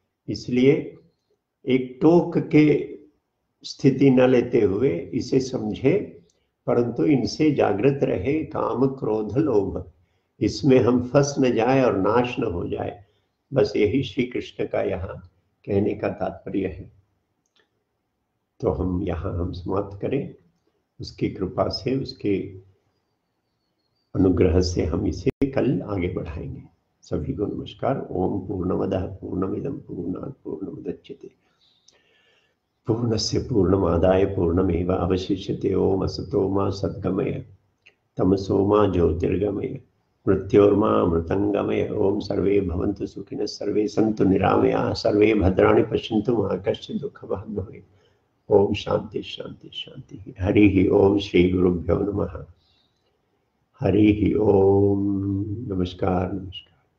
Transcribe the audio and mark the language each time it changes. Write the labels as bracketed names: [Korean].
[Hindi] इसलिए एक टोक के स्थिति न लेते हुए इसे समझे, परंतु इनसे जागृत रहे, काम क्रोध लोभ इसमें हम फंस न जाए और नाश न हो जाए, बस यही श्री कृष्ण का यहाँ कहने का तात्पर्य है। तो हम यहाँ हम समाप्त करें, उसकी कृपा से, उसके अनुग्रह से हम इसे कल आगे बढ़ाएंगे। सभी को नमस्कार। [Sanskrit] ओम पूर्णमदः पूर्णमिदं पूर्णात् पूर्णमुदच्यते पूर्णस्य पूर्णमादाय पूर्णमेव अवशिष्यते। ओम असतो मा सद्गमय, तमसो मा ज्योतिर्गमय, मृत्योर्मामृतंगमय। ओम सर्वे भवन्तु सुखिनः, सर्वे सन्तु निरामया, सर्वे भद्राणि पश्यन्तु, मा कश्चित् दुःखभाग् भवेत्। ओम शांति शांति शांति। हरि ओम श्री गुरुभ्यो नमः। हरि ओम। नमस्कार नमस्कार।